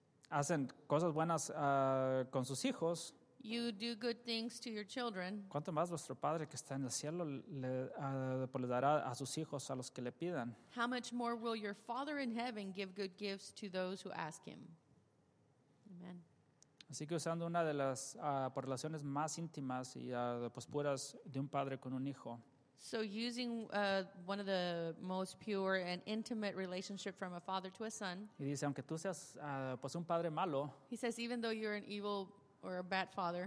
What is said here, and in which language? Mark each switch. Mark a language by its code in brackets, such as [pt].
[es] Hacen cosas buenas con sus hijos. [en] You do good things to your children. [es] ¿Cuánto más vuestro Padre que está en el cielo le dará a sus hijos a los que le pidan? [en] How much more will your Father in heaven give good gifts to those who ask him? Amen. [es] Así que usando una de las relaciones más íntimas y pues puras de un padre con un hijo. [en] So using one of the most pure and intimate relationship from a father to a son. [es] Y dice, aunque tú seas pues un padre malo. [en] He says, even though you're an evil or a bad father.